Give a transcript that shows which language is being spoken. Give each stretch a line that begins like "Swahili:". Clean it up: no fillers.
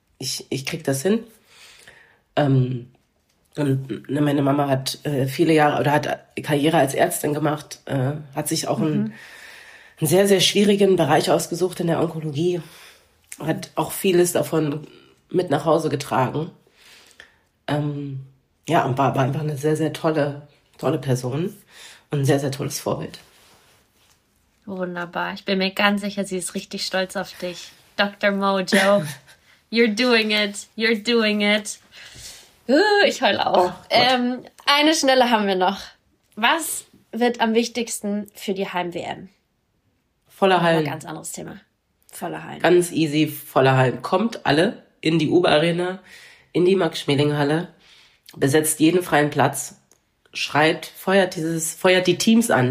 German: Ich krieg das hin. Und meine Mama hat viele Jahre oder hat Karriere als Ärztin gemacht, hat sich auch einen sehr, sehr schwierigen Bereich ausgesucht in der Onkologie, hat auch vieles davon mit nach Hause getragen. Und war einfach eine sehr, sehr tolle Person und ein sehr, sehr tolles Vorbild. Wunderbar. Ich bin mir ganz sicher, sie ist richtig stolz auf dich. Dr.
English: Mojo, you're doing it, you're doing it.
German: Ich heule auch. Oh, eine schnelle haben wir noch. Was wird am wichtigsten für die Heim-WM? Voller Hallen. Ganz anderes Thema. Voller Hallen. Ganz easy, voller Hallen. Kommt alle in die Uber-Arena, in die Max-Schmeling-Halle, besetzt jeden freien Platz, schreit, feuert die Teams an.